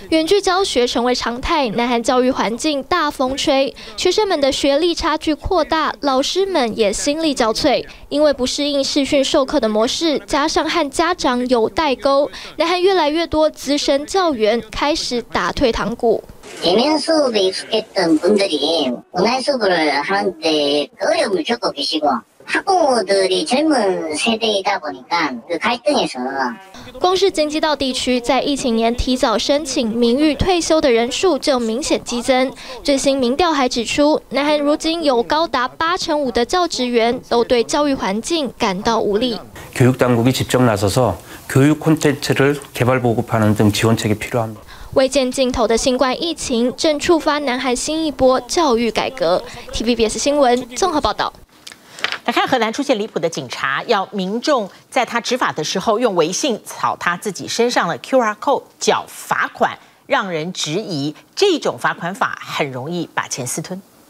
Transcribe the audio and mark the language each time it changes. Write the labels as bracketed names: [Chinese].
[Chinese] 远距教学成为常态，南韩教育环境大风吹，学生们的学历差距扩大，老师们也心力交瘁。因为不适应视讯授课的模式，加上和家长有代沟，南韩越来越多资深教员开始打退堂鼓。 [Korean] 대면수업에익숙했던분들이온라인수업을하는데어려움을겪고계시고학부모들이젊은세대이다보니까그갈등에서 [Chinese] 光是京畿道地区在疫情年提早申请名誉退休的人数就明显激增。最新民调还指出，南韩如今有高达85%的教职员都对教育环境感到无力。 [Korean] 교육당국이직접나서서교육콘텐츠를개발보급하는등지원책이필요합니다 [Chinese] 未见尽头的新冠疫情正触发南韩新一波教育改革。 TVBS 新闻综合报道。来看河南出现离谱的警察，要民众在他执法的时候用微信扫他自己身上的 QR code 缴罚款，让人质疑这种罚款法很容易把钱私吞。